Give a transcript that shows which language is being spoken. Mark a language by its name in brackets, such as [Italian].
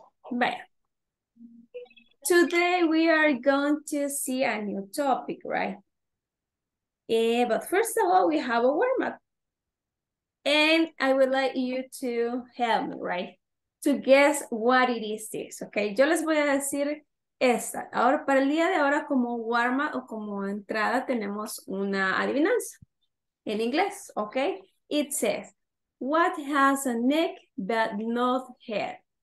[English] Bye. Today we are going to see a new topic, right? But first of all, we have a warm up. And I would like you to help me, right? To guess what it is this, okay? [Spanish] Yo les voy a decir esta. Ahora, para el día de ahora, como warm up o como entrada, tenemos una adivinanza en inglés, okay? It says, what has a neck but no head?